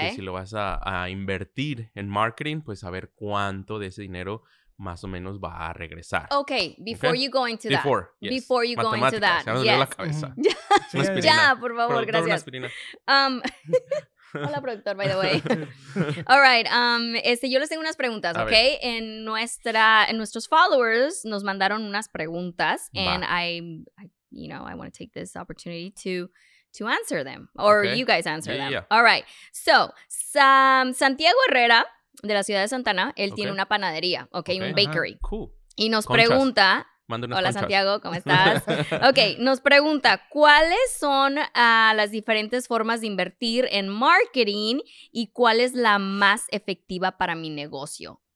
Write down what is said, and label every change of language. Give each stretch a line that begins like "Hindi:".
Spanish: Porque si lo vas a invertir en marketing, pues saber cuánto de ese dinero más o menos va a regresar.
English: Ok, before, okay, you go into that. Before, yes. Before you go into that.
Spanish: Se me duele la cabeza. Mm-hmm. Ya, por favor, productor, gracias. Una aspirina. Hola, productor,
English: by the way. All right,
Spanish: yo les tengo unas preguntas, ok. En nuestros followers nos mandaron unas preguntas. Va.
English: And I want to take this opportunity to answer them. Or okay, you guys answer, yeah, them. Yeah.
Spanish: All right, so, Santiago Herrera, de la ciudad de Santana, él, okay, tiene una panadería, okay, un bakery. Ajá, cool. Y nos pregunta, mándanos, hola, conchas. Santiago, ¿cómo estás? Okay, nos pregunta, ¿cuáles son las diferentes formas de invertir en marketing y cuál es la más efectiva para mi negocio?